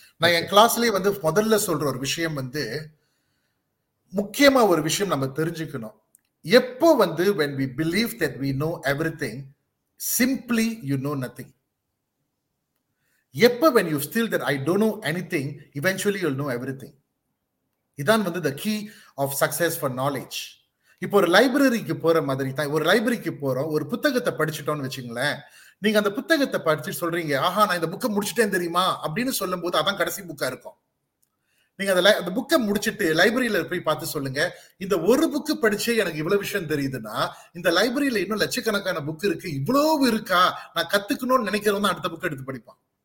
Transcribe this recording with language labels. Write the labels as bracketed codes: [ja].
[ta] நான் என் கிளாஸ்லயே வந்து முதல்ல சொல்ற ஒரு விஷயம் வந்து, முக்கியமா ஒரு விஷயம் நம்ம தெரிஞ்சுக்கணும், எப்போ வந்து [en] when we believe that we know everything, simply you know nothing. [ta] எப்போ [en] when you feel that I don't know anything, eventually you'll know everything. [ta] இதான் வந்து [en] the key of success for knowledge. [ta] இப்ப ஒரு லைப்ரரிக்கு போற மாதிரி தான், ஒரு லைப்ரரிக்கு போறோம், ஒரு புத்தகத்தை படிச்சுட்டோம்னு வச்சுங்களேன், நீங்க அந்த புத்தகத்தை படிச்சு சொல்றீங்க ஆஹா நான் இந்த புக்கை முடிச்சுட்டேன் தெரியுமா அப்படின்னு சொல்லும் போது அதான் கடைசி புக்கா இருக்கும். நீங்க அந்த புக்கை முடிச்சுட்டு லைப்ரரியில போய் பார்த்து சொல்லுங்க, இந்த ஒரு புக்கு படிச்சே எனக்கு இவ்வளவு விஷயம் தெரியுதுன்னா இந்த லைப்ரரியில இன்னும் லட்சக்கணக்கான புக் இருக்கு, இவ்வளவு இருக்கா, நான் கத்துக்கணும்னு நினைக்கிறவங்க அடுத்த புக்கை எடுத்து படிப்பான்.